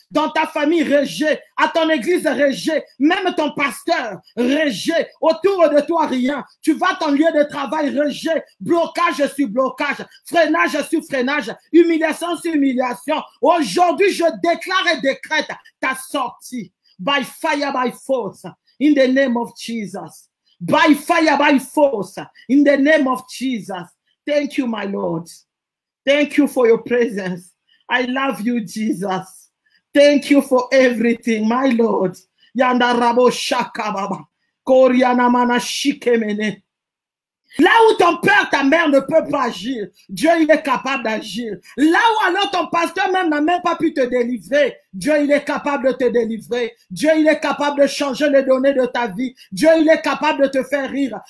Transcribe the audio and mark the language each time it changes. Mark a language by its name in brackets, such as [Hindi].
[French] Dans ta famille, rejet. À ton église, rejet. Même ton pasteur, rejet. Autour de toi, rien. Tu vas à ton lieu de travail, rejet. Blocage sur blocage. Freinage sur freinage. Humiliation sur humiliation. Aujourd'hui, je déclare et décrète ta sortie. [English] By fire, by force, in the name of Jesus. By fire, by force, in the name of Jesus. Thank you, my Lord. Thank you for your presence. I love you, Jesus. Thank you for everything, my Lord. Yandarabo Shakababa. Koriana mana shikemene. [French] Là où ton père, ta mère ne peut pas agir, Dieu, il est capable d'agir. Là où alors ton pasteur même n'a même pas pu te délivrer, Dieu, il est capable de te délivrer. Dieu, il est capable de changer les données de ta vie. Dieu, il est capable de te faire rire.